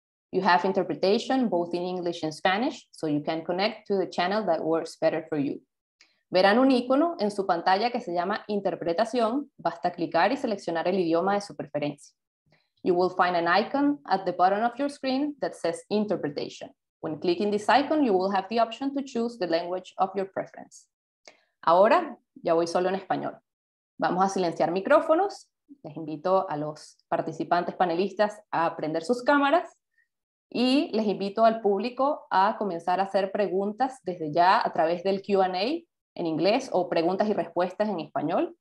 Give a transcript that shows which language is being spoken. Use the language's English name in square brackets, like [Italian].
[English] You have interpretation both in English and Spanish, so you can connect to the channel that works better for you. [Spanish] Verán un icono en su pantalla que se llama Interpretación. Basta clicar y seleccionar el idioma de su preferencia. [English] You will find an icon at the bottom of your screen that says Interpretation. When clicking this icon, you will have the option to choose the language of your preference. [Spanish] Ahora, ya voy solo en español. Vamos a silenciar micrófonos. Les invito a los participantes panelistas a prender sus cámaras. Y les invito al público a comenzar a hacer preguntas desde ya a través del Q&A en inglés o preguntas y respuestas en español.